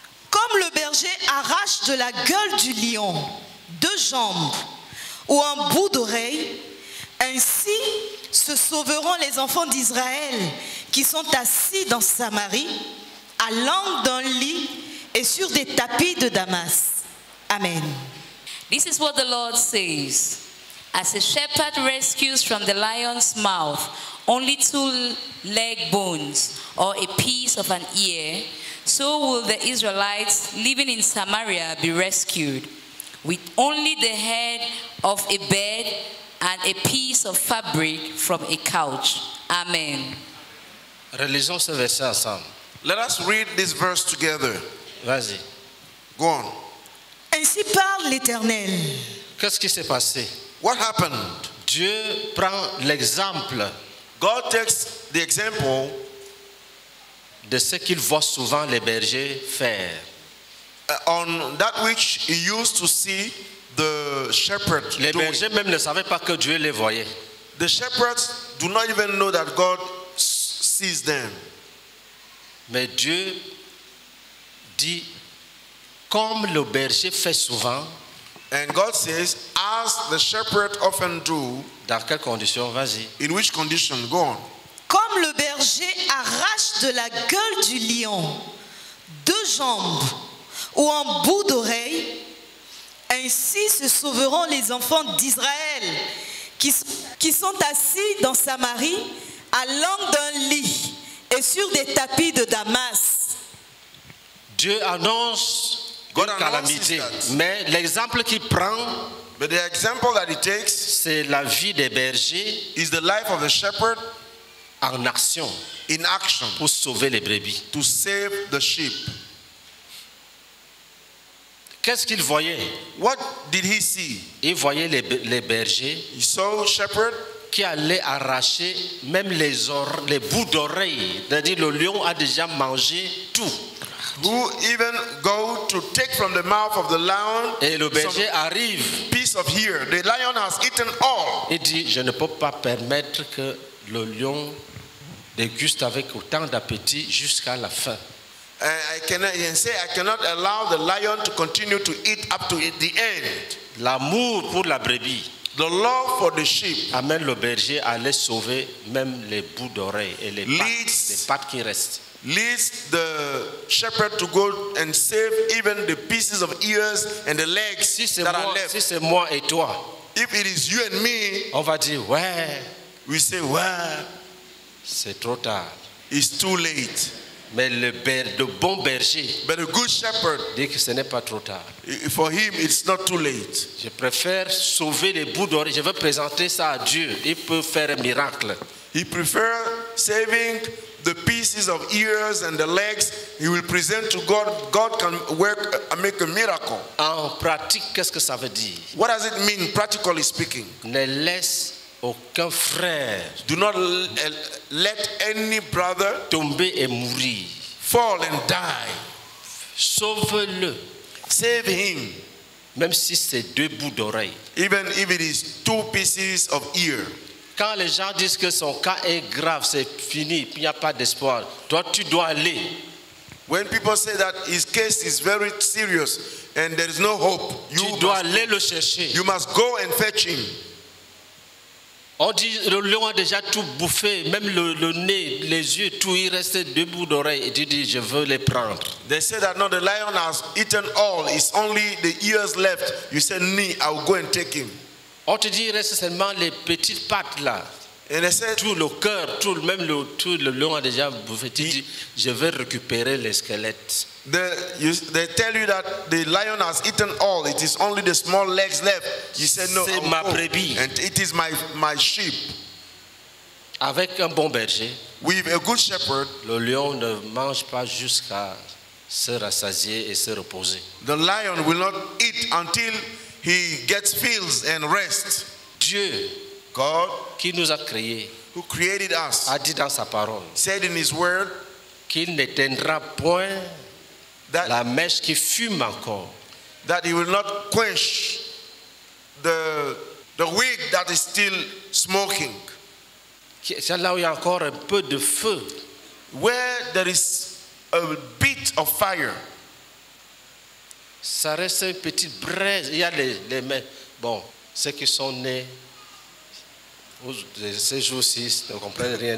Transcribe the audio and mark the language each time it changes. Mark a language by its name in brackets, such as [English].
[French] Comme le berger arrache de la gueule du lion 2 jambes ou un bout d'oreille, ainsi se sauveront les enfants d'Israël qui sont assis dans Samarie, à l'angle d'un lit et sur des tapis de Damas. Amen. [English] This is what the Lord says. As a shepherd rescues from the lion's mouth only 2 leg bones or a piece of an ear, so will the Israelites living in Samaria be rescued with only the head of a bed and a piece of fabric from a couch. Amen. [French] Relisons ce verset ensemble. [English] Let us read this verse together. [French] Vas-y. [English] Go on. [French] Ainsi parle l'Éternel. Qu'est-ce qui s'est passé? [English] What happened? [French] Dieu prend l'exemple. [English] God takes the example [French] de ce qu'il voit souvent les bergers faire. [English] On that which he used to see the shepherd. [French] Les bergers même ne savaient pas que Dieu les voyait. [English] The shepherds do not even know that God sees them. [French] Mais Dieu dit, comme le berger fait souvent. [English] And God says, as the shepherd often do. [French] Dans quelle condition? Vas-y. [English] In which condition? Go on. [French] Comme le berger arrache de la gueule du lion 2 jambes ou un bout d'oreille, ainsi se sauveront les enfants d'Israël qui sont assis dans Samarie à l'angle d'un lit et sur des tapis de Damas. Dieu annonce une calamité, mais l'exemple qu'il prend, [English] but the example that he takes, [French] c'est la vie des bergers, [English] is the life of a shepherd. [French] En action, [English] in action, [French] pour sauver les brebis, [English] to save the sheep. [French] Qu'est-ce qu'il voyait? [English] What did he see? [French] Il voyait les bergers. [English] He saw shepherd [French] qui allait arracher même les bouts d'oreilles. C'est-à-dire le lion a déjà mangé tout. [English] Who even go to take from the mouth of the lion? [French] Et le berger arrive. [English] Piece of here, the lion has eaten all. [French] Il dit, je ne peux pas permettre que le lion déguste avec autant d'appétit jusqu'à la fin. [English] I cannot allow the lion to continue to eat up to the end. [French] L'amour pour la brebis. [English] The love for the sheep. [French] Amène le berger à aller sauver même les bouts d'oreilles et les pattes qui restent. [English] Leads the shepherd to go and save even the pieces of ears and the legs [French] si [English] that [French] moi, [English] are left. [French] Si c'est moi et toi. [English] If it is you and me. [French] On va dire ouais. [English] We say, well, [French] c'est trop tard. [English] It's too late. [French] Mais le bon berger, [English] but a good shepherd, [French] dit que ce n'est pas trop tard. [English] For him, it's not too late. [French] Je préfère sauver les bouts d'oreilles. Je veux présenter ça à Dieu. Il peut faire un miracle. [English] He prefers saving the pieces of ears and the legs. He will present to God. God can work and make a miracle. [French] En pratique, qu'est-ce que ça veut dire? [English] What does it mean, practically speaking? [French] Ne laisse aucun frère. [English] Do not let any brother [French] tomber et mourir. [English] Fall and die. [French] Sauve-le. [English] Save him. [French] Même si c'est 2 bouts d'oreille. [English] Even if it is 2 pieces of ear. [French] Quand les gens disent que son cas est grave, c'est fini, il n'y a pas d'espoir. Toi, tu dois aller. [English] When people say that his case is very serious and there is no hope, [French] tu dois aller le chercher. [English] You must go and fetch him. [French] On dit le lion a déjà tout bouffé, même le nez, les yeux, tout, il restait deux bouts d'oreille. Et tu dis, je veux les prendre. [English] They say that no, the lion has eaten all. It's only the ears left. You say, me, I will go and take him. [French] On te dit, il reste seulement les petites pattes là. [English] And they say, [French] tout le cœur, tout, même le tout, le lion a déjà bouffé. Tu dis, je veux récupérer les squelettes. [English] They tell you that the lion has eaten all. It is only the small legs left. You say no. [French] C'est ma brebis. [English] And it is my sheep. [French] Avec un bon berger. [English] With a good shepherd. [French] Le lion ne mange pas jusqu'à se rassasier et se reposer. [English] The lion will not eat until he gets fields and rest. [French] Dieu, [English] God, [French] qui nous a créé, [English] who created us, [French] a dit dans sa parole, [English] said in his word, [French] qu'il n'éteindra point [English] that [French] la mèche qui fume encore, [English] that he will not quench the wick that is still smoking. [French] C'est là où il y a encore un peu de feu. [English] Where there is a bit of fire. [French] Ça reste une petite braise. Il y a les mèches. Bon, ceux qui sont nés ces jours-ci ne comprennent rien.